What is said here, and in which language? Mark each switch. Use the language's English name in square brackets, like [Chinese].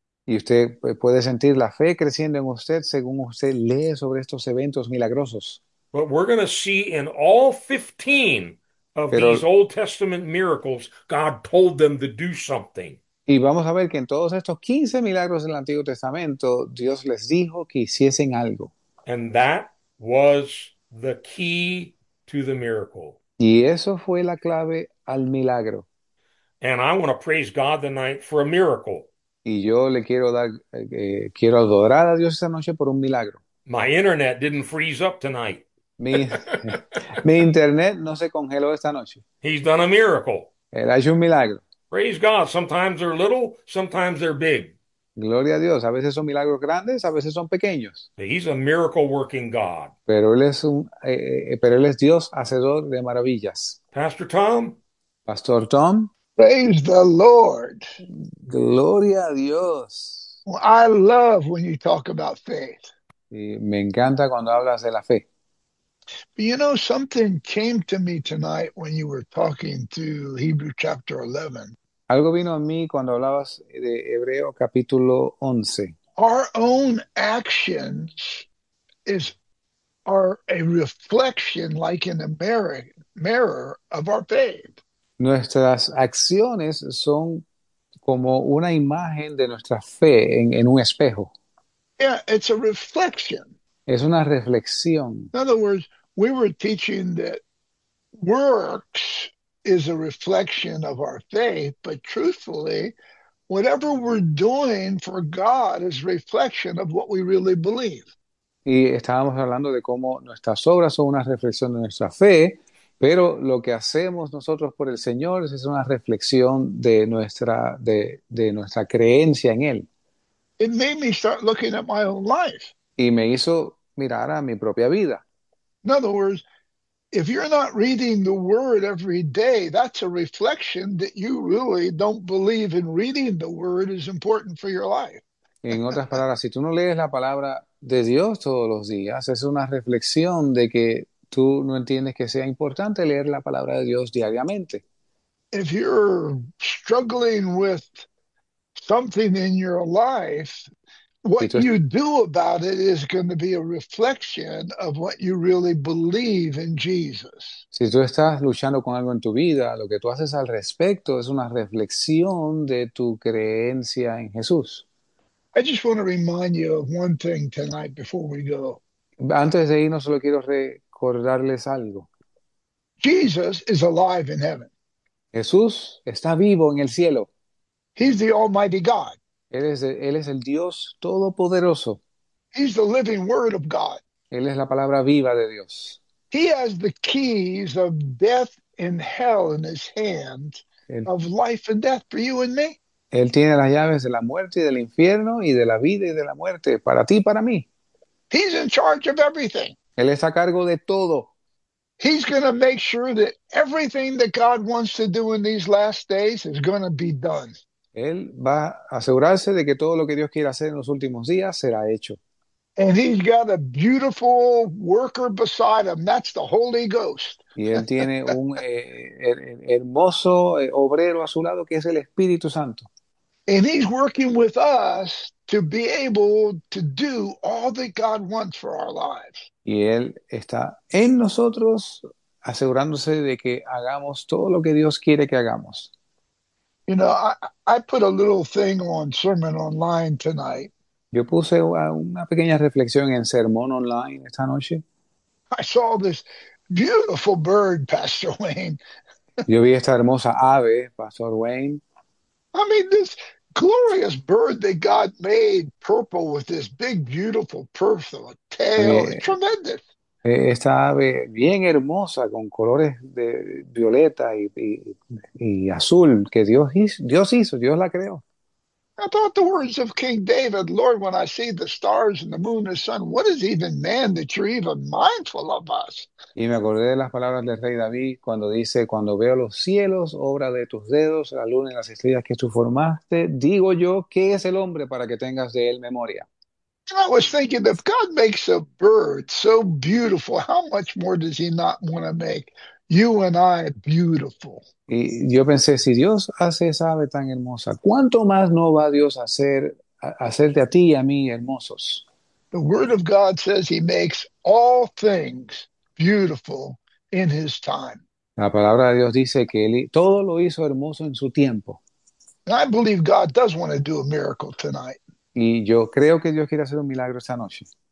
[Spanish] Y usted puede sentir la fe creciendo en usted según usted lee sobre estos eventos milagrosos. [English] But we're going to see in all 15 of these [Spanish] Pero [English] Old Testament miracles, God told them to do something. [Spanish] y vamos a ver que en todos estos 15 milagros del Antiguo Testamento, Dios les dijo que hiciesen algo. [English] And that was the key to the miracle. [Spanish] Y eso fue la clave al milagro. [English] And I want to praise God tonight for a miracle. [Spanish] Y yo le quiero dar, quiero adorar a Dios esta noche por un milagro. [English] My internet didn't freeze up tonight. [Spanish] Mi internet no se congeló esta noche. [English] He's done a miracle. [Spanish] Él ha hecho un milagro. [English] Praise God. Sometimes they're little, sometimes they're big. [Spanish] Gloria a Dios. A veces son milagros grandes, a veces son pequeños. [English] He's a miracle working God. [Spanish] Pero él es un, pero él es Dios hacedor de maravillas. [English] Pastor Tom. [Spanish] Pastor Tom. [English] Praise the Lord. [Spanish] Gloria a Dios. [English] Well, I love when you talk about faith. [Spanish] Y me encanta cuando hablas de la fe. [English] But you know, something came to me tonight when you were talking to Hebrew chapter 11. [Spanish] Algo vino a mí cuando hablabas de Hebreo capítulo 11. [English] Our own actions are a reflection, like in a mirror, of our faith. [Spanish] Nuestras acciones son como una imagen de nuestra fe en un espejo. [English] Yeah, it's a reflection. [Spanish] Es una reflexión. [English] In other words, we were teaching that works is a reflection of our faith, but truthfully, whatever we're doing for God is a reflection of what we really believe. [Spanish] Y estábamos hablando de cómo nuestras obras son una reflexión de nuestra fe, pero lo que hacemos nosotros por el Señor es una reflexión de nuestra creencia en Él. [English] It made me start looking at my own life. [Spanish] Y me hizo mirar a mi propia vida. [English] In other words, if you're not reading the word every day, that's a reflection that you really don't believe in reading the word is important for your life. [Spanish] En otras palabras, si tú no lees la palabra de Dios todos los días, es una reflexión de que tú no entiendes que sea importante leer la palabra de Dios diariamente. [English] If you're struggling with something in your life, [Spanish] Si [English] what [Spanish] tú [English] you do about it is going to be a reflection of what you really believe in Jesus. [Spanish] estás luchando con algo en tu vida, lo que tú haces al respecto es una reflexión de tu creencia en Jesús. [English] I just want to remind you of one thing tonight before we go. [Spanish] Antes de irnos, solo quiero recordarles algo. [English] Jesus is alive in heaven. [Spanish] Jesús está vivo en el cielo. [English] He's the Almighty God. [Spanish] Él es el Dios Todopoderoso. [English] He's the living word of God. [Spanish] Él es la palabra viva de Dios. [English] He has the keys of death and hell in his hand, [Spanish] Él [English] of life and death for you and me. [Spanish] tiene las llaves de la muerte y del infierno y de la vida y de la muerte para ti y para mí. [English] He's in charge of everything. [Spanish] Él está a cargo de todo. [English] He's going to make sure that everything that God wants to do in these last days is going to be done. [Spanish] Él va a asegurarse de que todo lo que Dios quiera hacer en los últimos días será hecho. [English] And he's got a beautiful worker beside him. That's the Holy Ghost. [Spanish] Y él tiene un hermoso obrero a su lado que es el Espíritu Santo. [English] And he's working with us to be able to do all that God wants for our lives. [Spanish] Y Él está en nosotros asegurándose de que hagamos todo lo que Dios quiere que hagamos. [English] I put a little thing on sermon online tonight. [Spanish] Yo puse una pequeña reflexión en Sermón Online esta noche. [English] I saw this beautiful bird, Pastor Wayne. [Spanish] Yo vi esta hermosa ave, Pastor Wayne. [English] I mean, this glorious bird that God made, purple with this big, beautiful purple tail. It's tremendous. [Spanish] Esta ave bien hermosa con colores de violeta y azul que Dios hizo, Dios la creó. [English] I thought the words of King David, Lord, when I see the stars and the moon and the sun, what is even man that you're even mindful of us? [Spanish] Y me acordé de las palabras del rey David cuando dice, cuando veo los cielos, obra de tus dedos, la luna y las estrellas que tú formaste, digo yo, ¿qué es el hombre para que tengas de él memoria? [English] And I was thinking, if God makes a bird so beautiful, how much more does he not want to make you and I beautiful? [Spanish] Y yo pensé, si Dios hace esa ave tan hermosa, ¿cuánto más no va Dios a hacer, a hacerte a ti y a mí hermosos? [English] The Word of God says he makes all things beautiful in his time. [Spanish] La palabra de Dios dice que él todo lo hizo hermoso en su tiempo. [English] And I believe God does want to do a miracle tonight. [Spanish] Y yo creo que Dios quiere hacer un milagro esta noche.